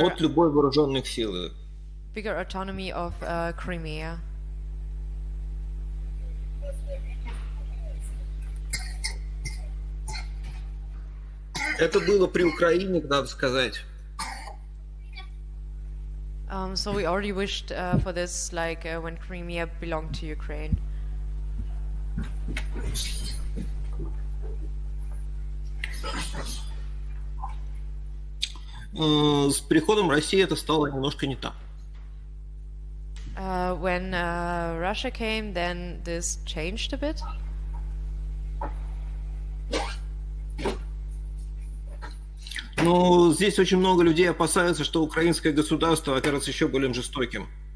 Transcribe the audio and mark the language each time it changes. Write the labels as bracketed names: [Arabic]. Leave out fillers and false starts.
[Russian] от любой вооруженных сил. [English] Bigger autonomy of Crimea. [Russian] Это было при Украине, надо сказать. [English] So we already wished for this, like when Crimea belonged to Ukraine. [Russian] С приходом России это стало немножко не так. [English] When Russia came, then this changed a bit. [Russian] Но здесь очень много людей опасаются, что украинское государство окажется еще более жестоким.